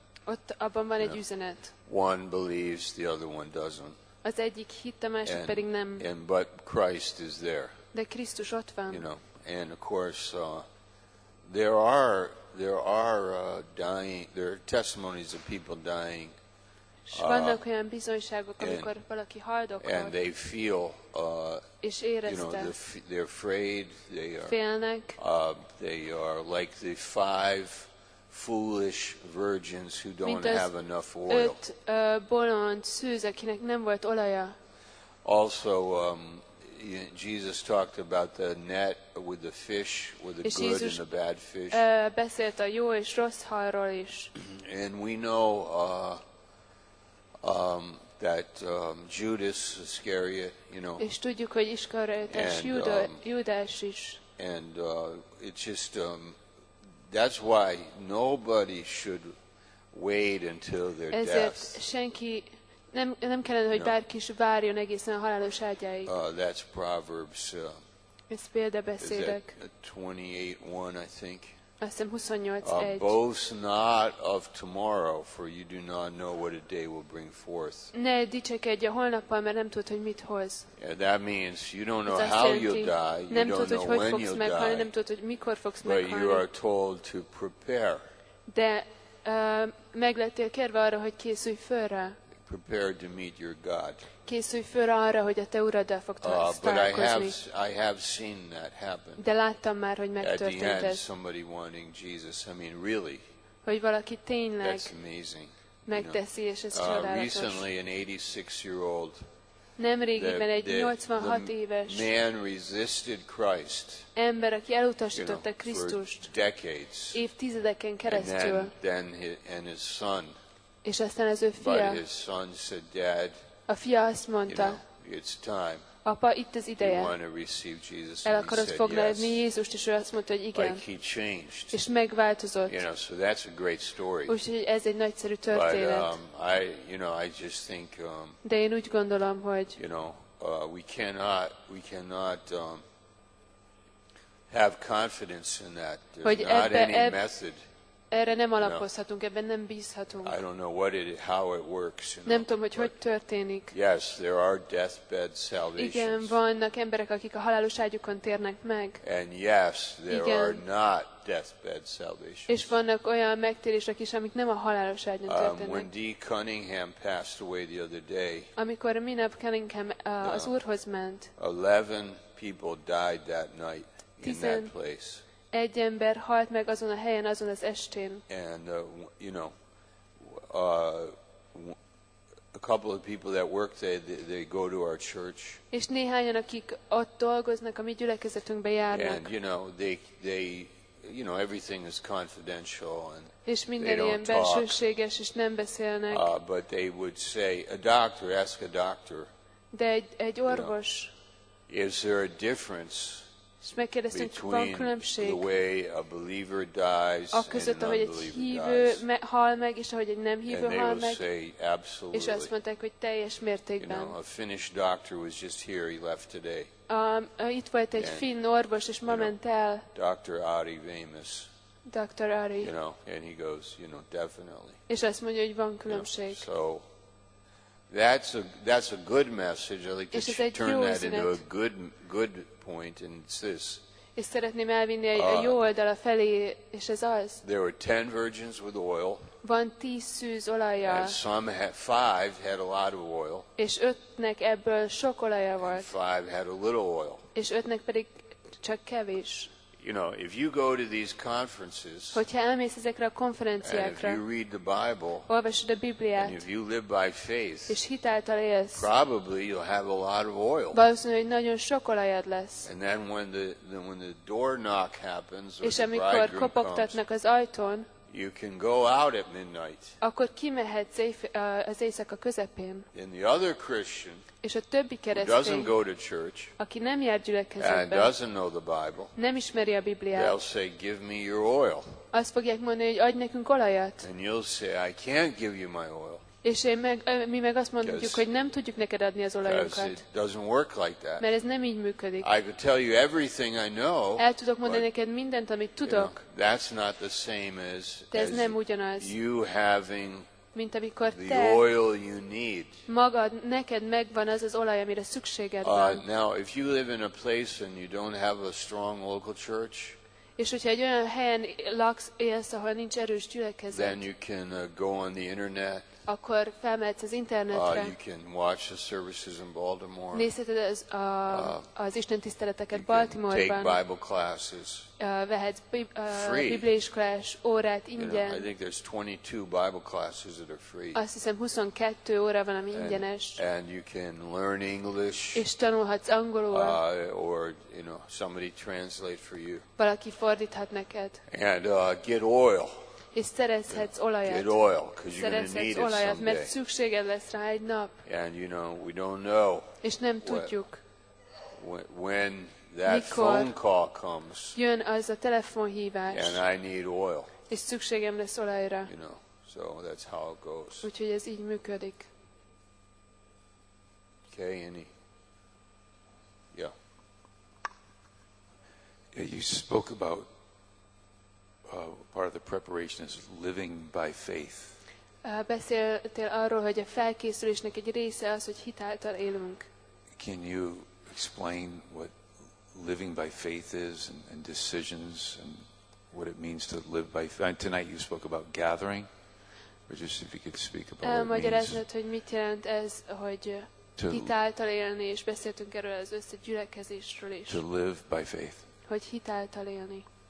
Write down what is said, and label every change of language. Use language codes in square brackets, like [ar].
[hu] Ott abban van egy üzenet. [en] One believes, the other one doesn't. [hu] Az egyik hitt, a másik pedig nem. [en] But Christ is there. [hu] De Krisztus ott van. [en] You know, and of course, there are dying. There are testimonies of people dying. [hu] Vannak olyan bizonyságok, amikor valaki haldoklik. [en] And they feel. [hu] És érezte. [en] You know, they're afraid. They are. [hu] Félnek. [en] They are like the five foolish virgins who don't have enough oil. [hu] Öt bolond szűz, akinek nem volt olaja. [en] Also, Jesus talked about the net with the fish, with the [hu] és [en] good [hu] Jézus [en] and the bad fish. [hu] Beszélt a jó és rossz halról is. [en] And we know that Judas Iscariot, you know. [hu] És tudjuk, hogy Iskariotes Júdás is. [en] And it's just that's why nobody should wait until their death. [hu] Ezért senki nem kellene, hogy bárki is várjon egészen a halálos ágyáig. [en] That's Proverbs. [hu] Ez példabeszédek. [en] 28:1, I think. [hu] Azt hiszem 28:1. [en] Boast not of tomorrow, for you do not know what a day will bring forth. [hu] Ne dicsekedj a holnappal, mert nem tudod, hogy mit hoz. [en] Yeah, that means you don't know how you'll die, you [hu] nem [en] don't [hu] tudod, [en] know when you'll [hu] meghalni, [en] die. [hu] Nem tudod, hogy mikor fogsz [en] but [hu] meghalni. [en] You are told to prepare. [hu] De meg lettél kérve arra, hogy készülj fölre. [en] Prepare to meet your God. [hu] Készülj föl arra, hogy a te uraddal fog találkozni. [en] But I have seen that happen. [hu] De láttam már, hogy megtörtént ez. [en] At the end, somebody wanting Jesus. I mean, really. [hu] Hogy valaki tényleg. [en] That's amazing. [hu] Megteszi, és ez csodálatos. [en] Recently, an 86-year-old. [hu] Nemrégiben egy 86 éves. [en] Man resisted Christ. [hu] Ember, aki elutasította Krisztust. [en] For decades. [hu] Évtizedeken keresztül. [en] And his son. [hu] És aztán az ő fia. [en] But his son said, Dad. [hu] A fia azt mondta, [en] you know, it's time. [hu] Apa, itt az ideje. [en] You want to receive Jesus. [hu] El akarod fogadni Jézust, és ő azt mondta, hogy igen. [en] Like he changed. [hu] És megváltozott. [en] You know, so that's a great story. [hu] Úgyhogy ez egy nagyszerű történet. [en] But, I, you know, I just think, [hu] de én úgy gondolom, hogy [en] you know, we cannot have confidence in that. There's not any method. [hu] Erre nem alapozhatunk, ebben nem bízhatunk. [en] I don't know what it, how it works, you know, [hu] nem tudom, hogy történik. [en] Yes, there are deathbed salvations. [hu] Igen, vannak emberek, akik a halálos ágyukon térnek meg. [en] And yes, there [hu] igen. [en] Are not deathbed salvations. [hu] És vannak olyan megtérések is, amik nem a halálos ágyon történnek. [en] When Dee Cunningham passed away the other day. [hu] Amikor Minap Cunningham az Úrhoz ment. [en] 11 people died that night in that place. [hu] Egy ember halt meg azon a helyen, azon az estén. [en] And, you know, a couple of people that work there, they go to our church. [hu] És néhányan, akik ott dolgoznak, a mi gyülekezetünkbe járnak. [en] And, you know, they you know, everything is confidential. And [hu] és minden ilyen belsőséges, és nem beszélnek. [en] But they would say, a doctor, ask a doctor. [hu] De egy orvos. [en] You know, is there a difference between the way a believer dies [hu] a között, [en] and an unbeliever dies. [hu] Hal meg, és ahogy egy nem hívő hal meg, [en] say, absolutely. [hu] És azt mondták, hogy teljes mértékben. [en] You know, a Finnish doctor was just here, he left today. [hu] Itt volt egy finn orvos, és ma ment el. [en] Dr. Ari Vamis. [hu] Dr. Ari. [en] You know, and he goes, you know, definitely. [hu] És azt mondja, hogy van különbség. [en] You know, so, That's a good message. I like to turn that [hu] üzenet. [en] Into a good point, and it's this. [hu] És szeretném elvinni a jó oldala felé, és ez az. [en] There were 10 virgins with oil. [hu] Van 10 szűz olajjal. [en] And some had, 5 had a lot of oil. [hu] És ötnek ebből sok olaja volt. [en] 5 had a little oil. [hu] És ötnek pedig csak kevés. [en] You know, if you go to these conferences, [hu] hogyha elmész ezekre a konferenciákra, [en] and if you read the Bible, [hu] olvasod a Bibliát, [en] and if you live by faith, [hu] és hit által élsz, [en] probably you'll have a lot of oil. [hu] Valószínűleg nagyon sok olajad lesz. [en] And then when the door knock happens, [hu] és amikor kopogtatnak az ajtón, [en] you can go out at midnight. [hu] Akkor kimehetsz az éjszaka közepén. [en] And the other Christian, [hu] és a többi keresztény, [en] who doesn't go to church, [hu] aki nem jár gyülekezetbe, [en] and doesn't know the Bible, [hu] nem ismeri a Bibliát, [en] they'll say, give me your oil. [hu] Azt fogják mondani, hogy adj nekünk olajat. [en] And you'll say, I can't give you my oil. [hu] És mi meg azt mondjuk, hogy nem tudjuk neked adni az olajunkat. [en] Doesn't work like that. [hu] Mert ez nem így működik. [en] I could tell you everything I know. [hu] El tudok mondani neked mindent, amit tudok. [en] You know, that's not the same as, [hu] de ez nem ugyanaz. [en] You having [hu] mint amikor [en] the oil you need. [hu] Magad, neked megvan az az olaj, amire szükséged van. [en] Now, if you live in a place and you don't have a strong local church, [hu] és hogyha egy olyan helyen laksz, élsz, ahol nincs erős gyülekezet, [en] then you can go on the internet, [hu] akkor felmehetsz az internetre. [en] You can watch the services in Baltimore. [hu] Nézheted az istentiszteleteket Baltimore-ban. [en] Take Bible classes. [hu] Vehetsz bibliaiskolás órát ingyen. [en] I think there's 22 Bible classes that are free. [hu] Azt hiszem 22 óra van, ami ingyenes. [en] And you can learn English. [hu] És tanulhatsz angolul. [en] Or you know, somebody translate for you. [hu] Valaki fordíthat neked. [en] And get oil. [hu] És szerezhetsz olajat. [en] Get oil, because you're going to need it someday. [hu] Mert szükséged lesz rá egy nap. [en] And you know, we don't know. [hu] És nem tudjuk. [en] When that phone call comes. [hu] Jön az a telefonhívás. [en] And I need oil. [hu] És szükségem lesz olajra. [en] You know, so that's how it goes. [hu] Úgyhogy ez így működik. [en] Okay, any? Yeah. Yeah, you spoke about part of the preparation is living by faith. [hu] Beszéltél arról, hogy a felkészülésnek egy része az, hogy hitáltal élünk. [en] Can you explain what living by faith is and decisions and what it means to live by faith? And tonight you spoke about gathering, or just if you could speak about [hu] Magyaráznod, hogy mit jelent ez, hogy hitáltal élni, és beszéltünk erről az összegyülekezésről is. [en] To live by faith. [hu] Hogy hitáltal élni.